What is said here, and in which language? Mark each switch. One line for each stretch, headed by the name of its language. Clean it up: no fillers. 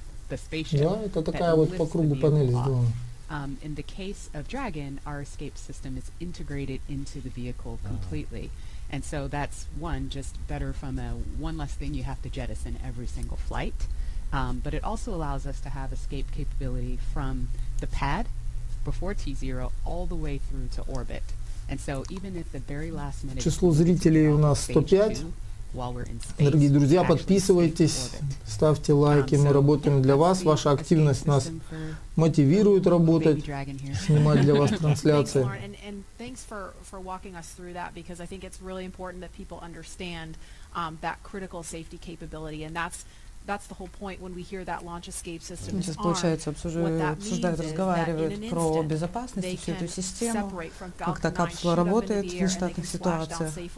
Russian: Да, это такая вот по кругу панель сделана.
English: In the case of Dragon, our escape system is integrated into the vehicle completely. And so that's one, just better from a one less thing you have to jettison every single flight. But it also allows us to have escape capability from the pad before T0 all the way through to orbit. And so even if the very last minute
Russian: число зрителей у нас 105, Дорогие друзья, подписывайтесь, ставьте лайки, мы работаем для вас, ваша активность нас мотивирует работать, снимать для вас трансляции.
English: That's the whole point when we hear that launch escape system.
Russian: Сейчас получается обсуждают, разговаривают про безопасность всю эту систему, как та капсула работает в нештатных ситуациях.